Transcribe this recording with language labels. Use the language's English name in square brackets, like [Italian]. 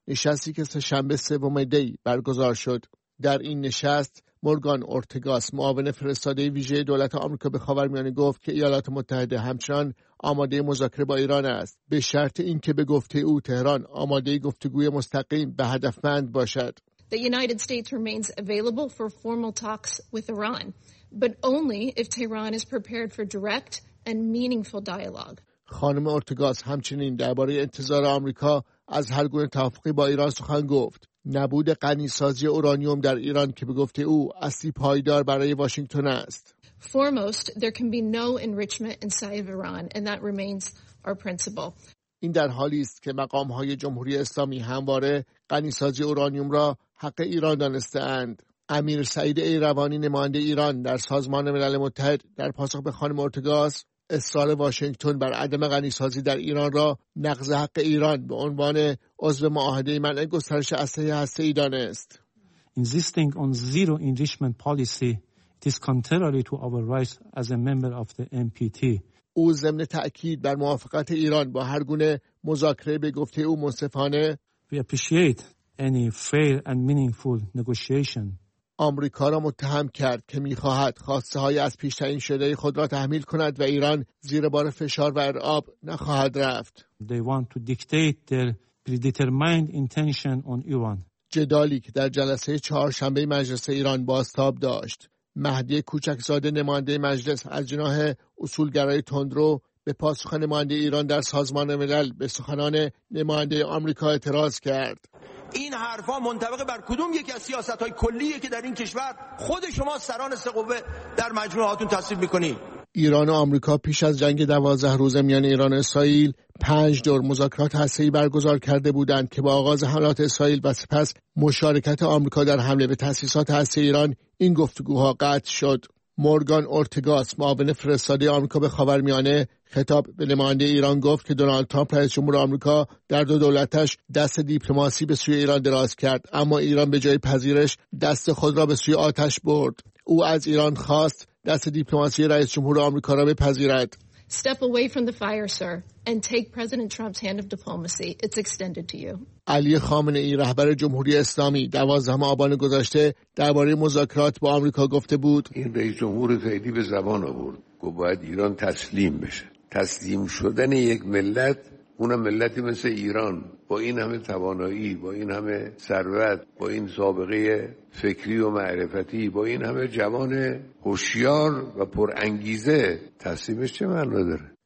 [Persian] نشستی که سه‌شنبه سوم دی برگزار شد. در این نشست مورگان اورتگاس معاون فرستاده ویژه دولت آمریکا به خاورمیانه گفت که ایالات متحده همچنان آماده مذاکره با ایران است، به شرط اینکه به گفته او تهران آماده گفتگوی مستقیم و هدفمند باشد. [English] The United States remains available for formal talks with Iran. But only if Tehran is prepared for direct and meaningful dialogue. [Persian] خانم اورتگاس همچنین درباره انتظار آمریکا از هر گونه توافقی با ایران سخن گفت. نبود غنی‌سازی اورانیوم در ایران که به گفته او اصلی پایدار برای واشنگتن است. [English] Foremost, there can be no enrichment inside of Iran, and that remains our principle. [Persian] این در حالی است که مقام‌های جمهوری اسلامی همواره غنی‌سازی اورانیوم را حق ایران دانسته‌اند. امیر سعید ایروانی نماینده ایران در سازمان ملل متحد در پاسخ به خانم اورتگاس اصرار واشنگتن بر عدم غنی‌سازی در ایران را نقض حق ایران به عنوان عضو معاهده منع گسترش اسلحه هسته‌ای دانست. [English] Insisting on zero enrichment policy, it is contrary to our rights as a member of the NPT. [Persian] او ضمن تأکید بر موافقت ایران با هر گونه مذاکره به گفته او منصفانه [English] We appreciate any fair and meaningful negotiation. [Persian] آمریکا را متهم کرد که می‌خواهد خواسته های از پیش تعیین شده خود را تحمیل کند و ایران زیر بار فشار و ارعاب نخواهد رفت. [English] They want to dictate their predetermined intention on Iran. [Persian] جدالی که در جلسه چهارشنبه مجلس ایران بازتاب داشت. مهدی کوچک‌زاده نماینده مجلس از جناح اصولگرای تندرو به پاسخ نماینده ایران در سازمان ملل به سخنان نماینده آمریکا اعتراض کرد. این حرفا منطبق بر کدوم یکی از سیاست‌های کلیه که در این کشور خود شما سران سه قوه در مجموعاتون تصویب می‌کنی؟ ایران و آمریکا پیش از جنگ 12 روزه میان ایران و اسرائیل 5 دور مذاکرات هسته‌ای برگزار کرده بودند که با آغاز حملات اسرائیل و سپس مشارکت آمریکا در حمله به تأسیسات هسته‌ای ایران این گفتگوها قطع شد. مورگان اورتگاس معاون فرستاده آمریکا به خاورمیانه خطاب به نماینده ایران گفت که دونالد ترامپ رئیس جمهور آمریکا در دو دولتش دست دیپلماسی به سوی ایران دراز کرد، اما ایران به جای پذیرش دست خود را به سوی آتش برد. او از ایران خواست دست دیپلماسی رئیس جمهور آمریکا را بپذیرد. [English] Step away from the fire, sir, and take President Trump's hand of diplomacy. It's extended to you. [Persian] علی خامنه‌ای رهبر جمهوری اسلامی 12 آبان گذشته درباره مذاکرات با آمریکا گفته بود این رئیس جمهور خیلی به زبان آورد که باید ایران تسلیم بشه. تسلیم شدن یک ملت، اونم ملتی مثل ایران با این همه توانایی، با این همه ثروت، با این سابقه فکری و معرفتی، با این همه جوان هوشیار و پر انگیزه، تسلیمش چه معنا داره؟